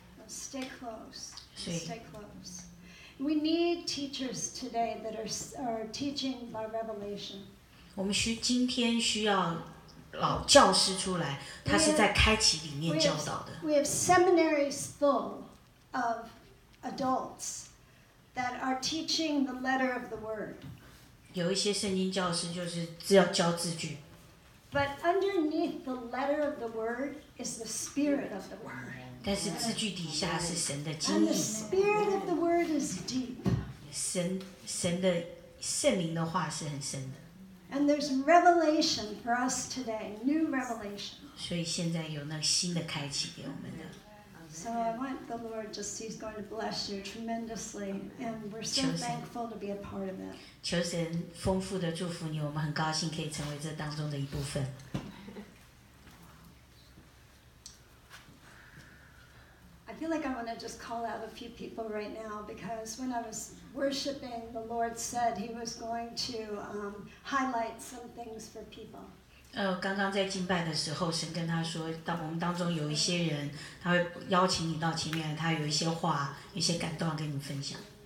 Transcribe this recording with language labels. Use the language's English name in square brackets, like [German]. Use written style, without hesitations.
[English] Stay close. Stay close. We need teachers today that are teaching by revelation. [Chinese] 我们今天需要老教师出来，他是在开启里面教导的。 [English] We have seminaries full of adults that are teaching the letter of the word. [Chinese] 有一些圣经教师就是只要教字句。 [English] But underneath the letter of the word is the spirit of the word. [Chinese] 但是字句底下是神的精义。 [English] And the spirit of the word is deep. [Chinese] 神的圣灵的话是很深的。 [English] And there's revelation for us today, new revelation. [Chinese] 所以现在有那新的开启给我们的。 [English] So I want the Lord just, He's going to bless you tremendously. And we're so thankful to be a part of it. [Chinese] 求神丰富的祝福你，我们很高兴可以成为这当中的一部分。 [English] I feel like I want to just call out a few people right now because when I was worshiping, the Lord said He was going to highlight some things for people. [Chinese] 刚刚在敬拜的时候，神跟他说，当我们当中有一些人，他会邀请你到前面，他有一些话，一些感动跟你分享。